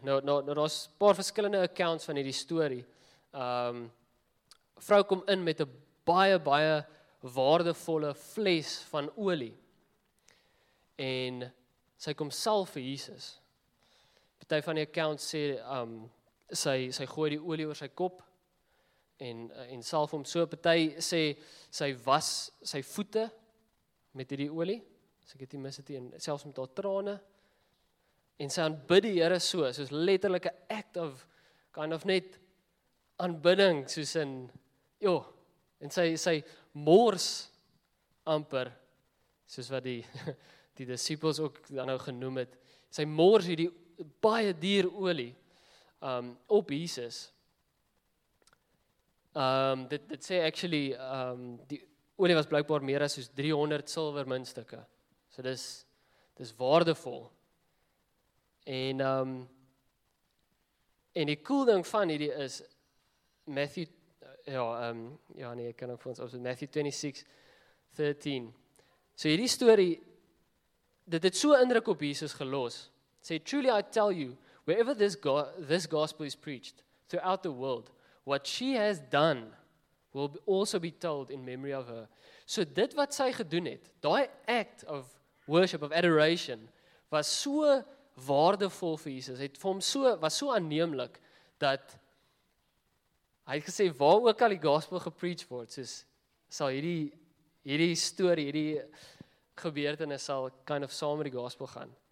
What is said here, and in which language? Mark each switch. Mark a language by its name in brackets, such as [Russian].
[Afrikaans] Nou daar's 'n paar verskillende accounts van hierdie story. Vrou kom in met 'n baie waardevolle fles van olie. En sy kom sal vir Jesus. Party van die accounts sê sy gooi die olie oor sy kop en sal hom so. Party sê sy was sy voete met hierdie olie. As ek dit nie mis het nie, selfs met haar trane. En sy aanbid die Here soos letterlik 'n [English] act of kind of [Afrikaans] net aanbidding, soos in joh, en sy mors amper soos wat die disippels ook dan nou genoem het. Sy mors hierdie baie duur olie op Jesus. Dit sê actually die olie was blykbaar meer as soos 300 silwer muntstukke. So dis waardevol. En die cool ding van hierdie is Matthew, ek kan ook vir ons opzoek, Matthew 26:13. So hierdie story, dit het so indruk op Jesus gelos. [English] Say, truly I tell you, wherever this gospel is preached throughout the world, what she has done will also be told in memory of her. [Afrikaans] So dit wat sy gedoen het, die [English] act of worship, [Afrikaans] of adoration, was so waardevol vir Jesus, het vir hom so, was so aanneemlik, dat hy het gesê, waar ook al die gospel gepreach word, soos, sal hierdie story, hierdie gebeurtenis sal [English] kind of [Afrikaans] saam met die gospel gaan.